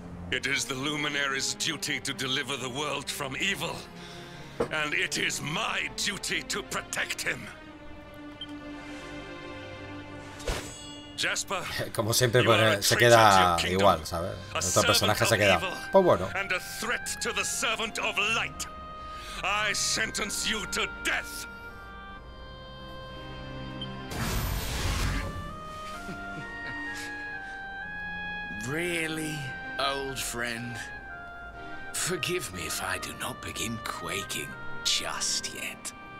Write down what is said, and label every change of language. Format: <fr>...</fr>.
<en>It is the Luminary's duty to deliver the world from evil. And it is my duty to protect him. Jasper,</en> <es>como siempre, pues, se queda igual, ¿sabes? Nuestro personaje se queda. Pues bueno.</es> <en>And a threat to the servant of light. I sentence you to death. Really, old friend? Forgive me if I do not begin quaking just yet.</en>